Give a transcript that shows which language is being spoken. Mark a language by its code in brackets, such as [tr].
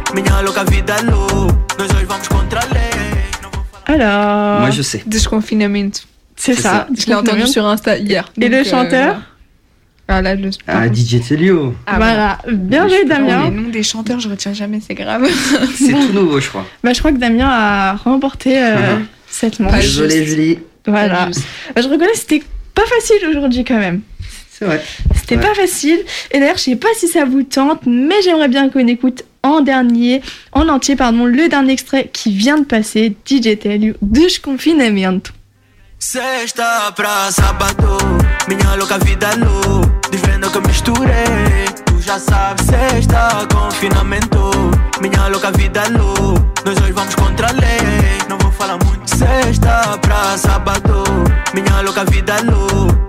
[pt] Minha louca vida louca, nós dois vamos contra a lei. [fr] Alors. Moi je sais. [pt] Desconfinamento. [fr] C'est ça. Je l'ai entendu sur Insta hier. Et le chanteur? DJ Telio. Voilà. Bien joué, Damien. Les noms des chanteurs, je retiens jamais, c'est grave. C'est tout nouveau, je crois. Bah, je crois que Damien a remporté cette manche. Désolé, Julie. Voilà. Je reconnais, c'était pas facile aujourd'hui quand même. C'est vrai. C'était pas facile. Et d'ailleurs, je sais pas si ça vous tente, mais j'aimerais bien qu'on écoute en entier, le dernier extrait qui vient de passer, DJ Telio, Desconfinamento. [pt] Sexta pra sábado, minha louca vida louca. Vivendo que eu misturei. Tu já sabes, sexta, confinamento. Minha louca vida é louca. Nós hoje vamos contra a lei. Não vou falar muito. Sexta pra sábado. Minha louca vida é louca.